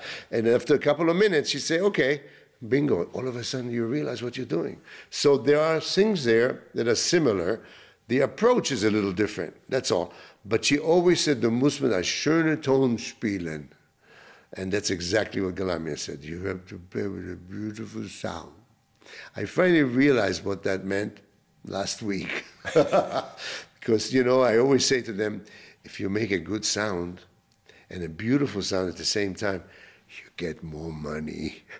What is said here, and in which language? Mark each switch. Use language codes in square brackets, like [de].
[en] And after a couple of minutes, she'd say, okay, bingo. All of a sudden, you realize what you're doing. So there are things there that are similar. The approach is a little different. That's all. But she always said, [de] du musst mit einem schönen Ton spielen. [en] And that's exactly what Galamia said. You have to play with a beautiful sound. I finally realized what that meant last week. Because, you know, I always say to them, if you make a good sound and a beautiful sound at the same time, you get more money.